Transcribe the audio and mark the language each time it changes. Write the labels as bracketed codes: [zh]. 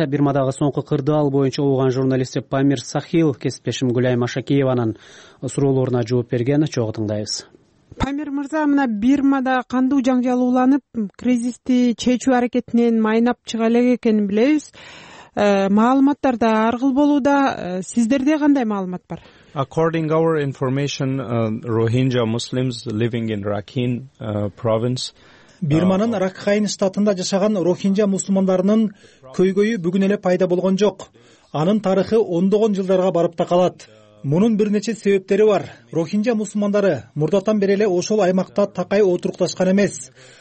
[ky] Бирмадагы соңку кырдаал боюнча угулган журналисти Памир Сахил кесиптешим Гүлайым Ашакиеванын суроолоруна жооп берген, чогуу тыңдайбыз. Памир мырза, мына Бирмада кандуу жаңжал уланып, кризисти чечүү аракетинен майнап чыга элек экенин билебиз. Маалыматтар да ар кыл болууда, сиздерде кандай маалымат бар? [en] According our information, Rohingya Muslims living in Rakhine province. [ky] Бирманын Ракхайн штатында жашаган рохинжа мусулмандарынын көйгөйү бүгүн эле пайда болгон жок. Анын тарыхы ондогон жылдарга барып такалат. Мунун бир нече себептери бар. Рохинжа мусулмандары мурдатан бери эле ошол аймакта такай отурукташкан эмес.